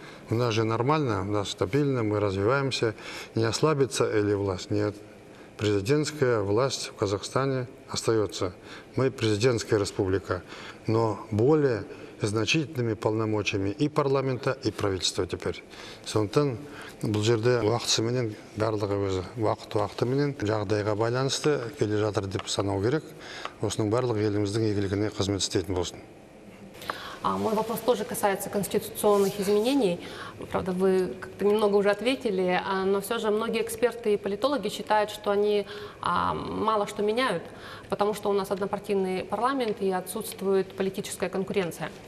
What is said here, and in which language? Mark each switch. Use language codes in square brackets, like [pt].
[ru] У нас же нормально, у нас стабильно, мы развиваемся. Не ослабится или власть? Нет. Президентская власть в Казахстане остается. Мы президентская республика, но более значительными полномочиями и парламента, и правительства теперь. [kk] Сонтан, бұл жерде уақытсы менен барлығы өзі, уақыт-уақыты менен жағдайға байланысты келе жатыр деп санау керек. Осының барлығы еліміздің игілігіне қызмет істейтін болсын. [ru] Мой вопрос тоже касается конституционных изменений. Правда, вы как-то немного уже ответили, но все же многие эксперты и политологи считают, что они мало что меняют, потому что у нас однопартийный парламент и отсутствует политическая конкуренция.